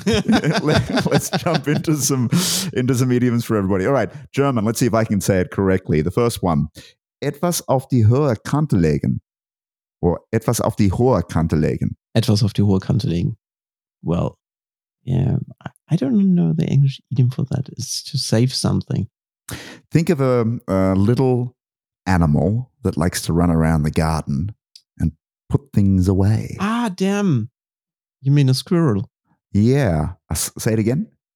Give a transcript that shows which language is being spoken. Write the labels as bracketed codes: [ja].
[en] let's jump into some idioms for everybody. All right. German. Let's see if I can say it correctly. The first one, [de] etwas auf die hohe Kante legen. [en] Or [de] etwas auf die hohe Kante legen. Etwas auf die hohe Kante legen. [en] Well, yeah. I don't know the English idiom for that. It's to save something. Think of a little animal that likes to run around the garden and put things away. Ah, damn. You mean a squirrel? Yeah. Say it again.